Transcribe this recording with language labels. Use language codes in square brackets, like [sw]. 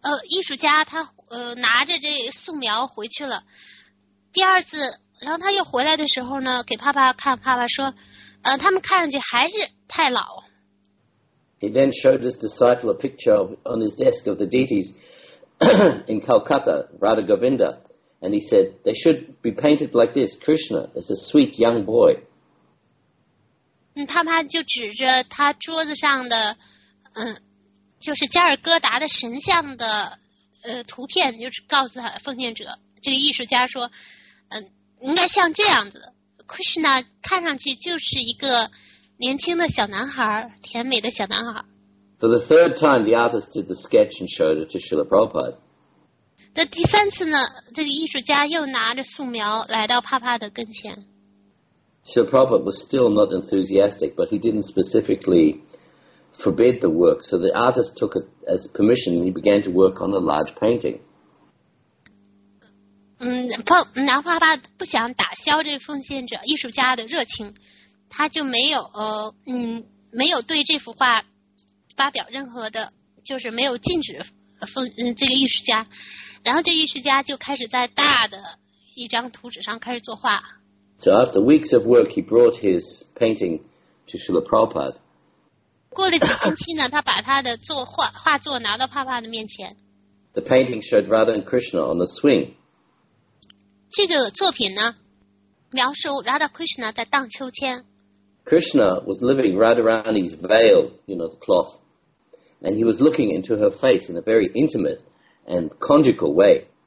[zh] 艺术家他拿着这素描回去了。第二次，然后他又回来的时候呢，给帕帕看，帕帕说，他们看上去还是太老。 [en] He then showed his disciple a picture on his desk of the deities in Calcutta, Radha Govinda, and he said they should be painted like this. Krishna is a sweet young boy. [zh] 帕帕就指着他桌子上的，就是加尔各答的神像的图片，就是告诉他奉献者这个艺术家说，应该像这样子。 Krishna 看上去就是一个年轻的小男孩，甜美的小男孩。 [en] For the third time, the artist did the sketch and showed it to Srila Prabhupada. [zh] 那第三次呢？这个艺术家又拿着素描来到帕帕的跟前。 [en] Srila Prabhupada was still not enthusiastic, but he didn't specifically forbid the work. So the artist took it as permission, and he began to work on a large painting. [zh] 南花巴不想打消这奉献者艺术家的热情，他就没有没有对这幅画发表任何的，就是没有禁止这个艺术家。然后这艺术家就开始在大的一张图纸上开始作画。 [en] So after weeks of work, he brought his painting to Srila Prabhupada. [zh] 过了几星期呢，他把他的画作拿到帕帕的面前。 [en] The painting showed Radha and Krishna on the swing. [zh] 这个作品呢，描述 Radha Krishna 在荡秋千。 [en] Krishna was living Radharani's veil, you know, the cloth, and he was looking into her face in a very intimate and conjugal way.